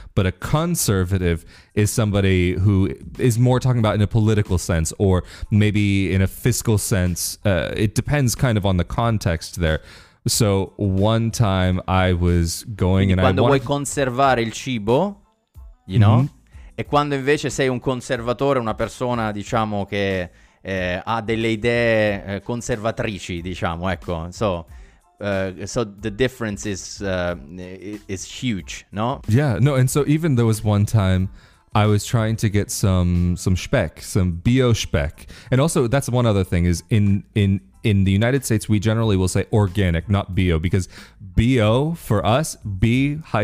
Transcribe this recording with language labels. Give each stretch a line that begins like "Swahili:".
English: But a conservative is somebody who is more talking about in a political sense, or maybe in a fiscal sense. It depends kind of on the context there. So one time I was going,
Italian: quindi
English: and
Italian: quando
English: I
Italian: quando vuoi conservare il cibo,
English: you know,
Italian: mm-hmm, e quando invece sei un conservatore, una persona diciamo che ha delle idee conservatrici, diciamo, ecco.
English: So so the difference is huge, no? Yeah, no, and so even there was one time I was trying to get some Speck, some Bio Speck. And also that's one other thing is in the United States we generally will say organic, not bio, because bio for us, B-O,